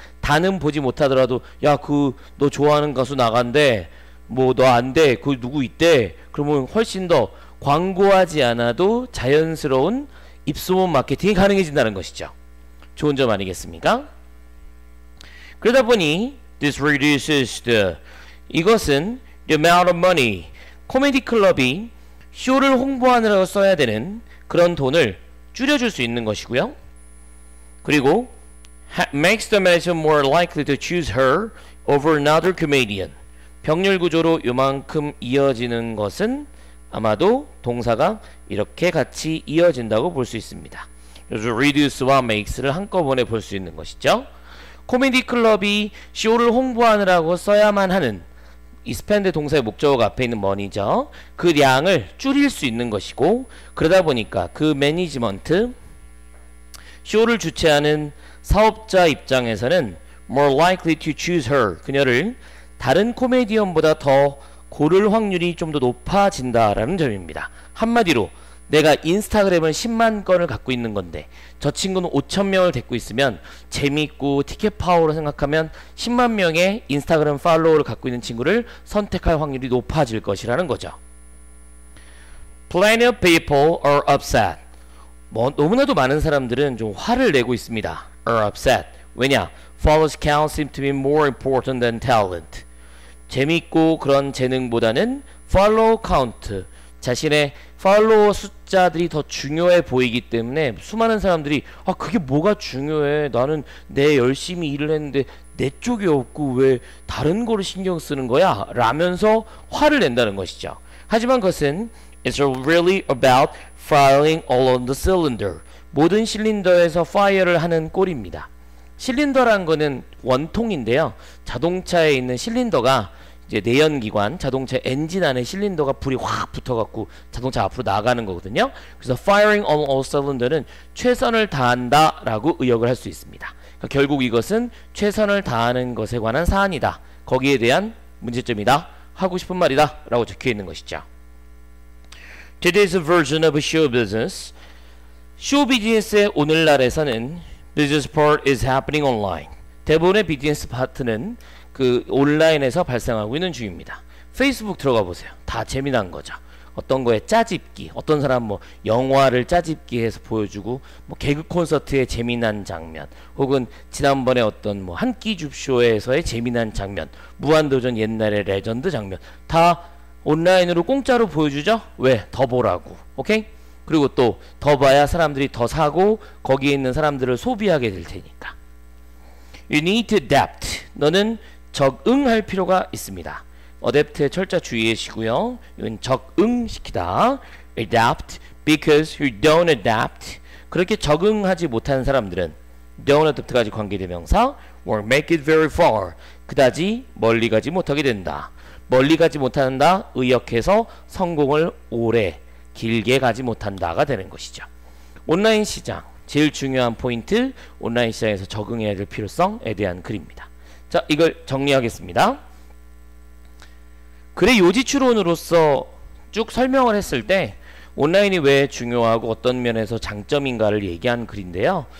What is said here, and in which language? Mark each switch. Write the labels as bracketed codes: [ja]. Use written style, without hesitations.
[ko] 다는 보지 못하더라도 야 그 너 좋아하는 가수 나간대 뭐 너 안 돼 그 누구 있대 그러면 훨씬 더 광고하지 않아도 자연스러운 입소문 마케팅이 가능해진다는 것이죠. 좋은 점 아니겠습니까? 그러다 보니 [en] this reduces the [ko] 이것은 [en] the amount of money [ko] 코미디 클럽이 쇼를 홍보하느라고 써야 되는 그런 돈을 줄여줄 수 있는 것이고요. [en] 그리고 makes the manager more likely to choose her over another comedian. [ko] 병렬 구조로 요만큼 이어지는 것은 아마도 동사가 이렇게 같이 이어진다고 볼 수 있습니다. 그래서 reduce와 makes를 한꺼번에 볼 수 있는 것이죠. 코미디 클럽이 쇼를 홍보하느라고 써야만 하는 이 스펜드 동사의 목적어가 앞에 있는 머니죠. 그 양을 줄일 수 있는 것이고 그러다 보니까 그 매니지먼트 쇼를 주최하는 사업자 입장에서는 [en] more likely to choose her [ko] 그녀를 다른 코미디언보다 더 고를 확률이 좀 더 높아진다라는 점입니다. 한마디로 내가 인스타그램을 10만 건을 갖고 있는 건데 저 친구는 5천 명을 데리고 있으면 재미있고 티켓 파워로 생각하면 10만 명의 인스타그램 팔로워를 갖고 있는 친구를 선택할 확률이 높아질 것이라는 거죠. [en] Plenty of people are upset. [ko] 뭐 너무나도 많은 사람들은 좀 화를 내고 있습니다. [en] Are upset. [ko] 왜냐? [en] Followers count seem to be more important than talent. [ko] 재미있고 그런 재능보다는 [en] follow count [ko] 자신의 팔로워 숫자들이 더 중요해 보이기 때문에 수많은 사람들이 아 그게 뭐가 중요해 나는 내 열심히 일을 했는데 내 쪽이 없고 왜 다른 거를 신경 쓰는 거야 라면서 화를 낸다는 것이죠. 하지만 그것은 [en] It's really about firing all on the cylinder [ko] 모든 실린더에서 파이어를 하는 꼴입니다. 실린더란 거는 원통인데요 자동차에 있는 실린더가 이제 내연기관, 자동차 엔진 안에 실린더가 불이 확 붙어갖고 자동차 앞으로 나가는 거거든요. 그래서 firing on all cylinders는 최선을 다한다 라고 의역을 할 수 있습니다. 그러니까 결국 이것은 최선을 다하는 것에 관한 사안이다. 거기에 대한 문제점이다. 하고 싶은 말이다. 라고 적혀있는 것이죠. [en] Today's version of a show business. [ko] 쇼 비즈니스의 오늘날에서는 [en] business part is happening online. [ko] 대부분의 비즈니스 파트는 그 온라인에서 발생하고 있는 중입니다. 페이스북 들어가 보세요. 다 재미난 거죠. 어떤 거에 짜집기, 어떤 사람 뭐 영화를 짜집기 해서 보여주고 뭐 개그 콘서트의 재미난 장면 혹은 지난번에 어떤 뭐 한 끼 줍쇼에서의 재미난 장면 무한도전 옛날의 레전드 장면 다 온라인으로 공짜로 보여주죠. 왜? 더 보라고. 오케이? 그리고 또 더 봐야 사람들이 더 사고 거기에 있는 사람들을 소비하게 될 테니까. [en] You need to adapt. [ko] 너는 적응할 필요가 있습니다. Adapt의 철자 주의하시고요. 이건 적응시키다. [en] Adapt because you don't adapt. [ko] 그렇게 적응하지 못한 사람들은 [en] don't adapt까지 관계대명사 or make it very far. [ko] 그다지 멀리 가지 못하게 된다. 멀리 가지 못한다. 의역해서 성공을 오래 길게 가지 못한다가 되는 것이죠. 온라인 시장, 제일 중요한 포인트, 온라인 시장에서 적응해야 될 필요성에 대한 글입니다. 자, 이걸 정리하겠습니다. 글의 요지추론으로서 쭉 설명을 했을 때 온라인이 왜 중요하고 어떤 면에서 장점인가를 얘기한 글인데요.